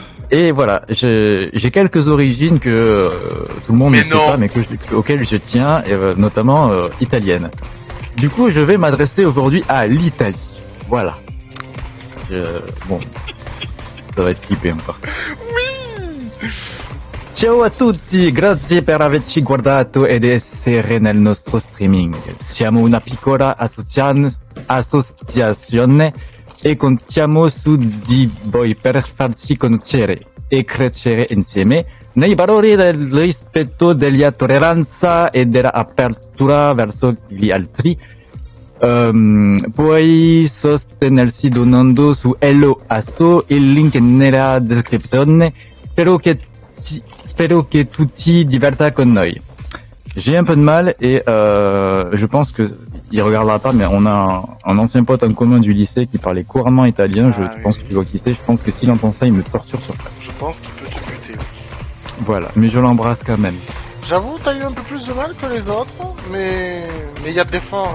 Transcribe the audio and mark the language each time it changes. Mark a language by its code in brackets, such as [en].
[fr] Et voilà, j'ai quelques origines que tout le monde mais ne non. sait pas, mais auxquelles je tiens, et, notamment italienne. Du coup, je vais m'adresser aujourd'hui à l'Italie. Voilà. Bon, ça va être clippé encore. Oui. [it] Ciao a tutti, grazie per averci guardato ed essere nel nostro streaming. Siamo una piccola associazione. E contiamo su di voi per farci conoscere e crescere insieme nei valori del rispetto, della tolleranza e dell'apertura verso gli altri. Puoi sostenersi donando su Hello Asso, il link è nella descrizione. Spero che tu ti diverta con noi. [fr] J'ai un peu de mal et je pense que il regardera pas, mais on a un ancien pote en commun du lycée qui parlait couramment italien. Je pense que tu vois qui c'est. Je pense que s'il entend ça, il me torture sur place. Je pense qu'il peut te buter. Voilà, mais je l'embrasse quand même. J'avoue, t'as eu un peu plus de mal que les autres, mais il y a de l'effort.